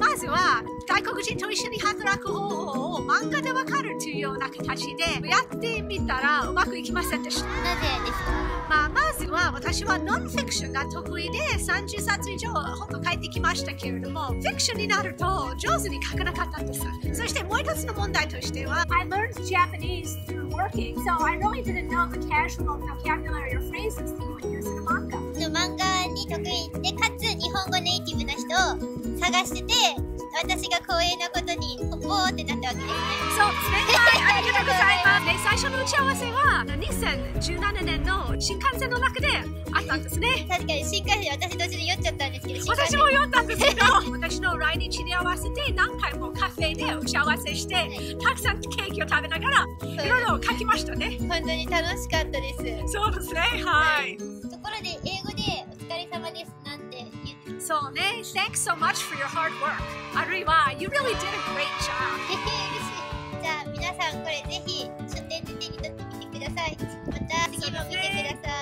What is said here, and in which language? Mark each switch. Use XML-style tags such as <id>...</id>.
<ja>まずは、外国人と一緒に働く方法を漫画でわかるというような形でやってみたらうまくいきませんでした。なぜですか？まあ、まずは私はノンフィクションが得意で30冊以上本を書いてきましたけれども、フィクションになると上手に書かなかったんです。そしてもう一つの問題としては、</ja> <en>I learned Japanese through working, so I really didn't know the casual vocabulary or phrases that you would use in a manga.</en> <ja>漫画に得意でかつ日本語ネイティブな人を探してて、私が光栄なことにポポーってなったわけですね。そう、先輩ありがとうございます、ね、最初の打ち合わせは2017年の新幹線の中であったんですね。確かに新幹線で私途中で酔っちゃったんですけど、私も酔ったんですけど私の来日に合わせて何回もカフェで打ち合わせしてたくさんケーキを食べながらいろいろ書きましたね。本当に楽しかったです。そうですね、はい。ところで英語でお疲れ様ですなんて言って、そうね、</ja> <en>Thanks so much for your hard work.</en> <ja>あるいは</ja> <en>You really did a great job.</en> <ja>嬉しい。じゃあ皆さんこれぜひ書店で手に取ってみてください。また次も見てください。</ja>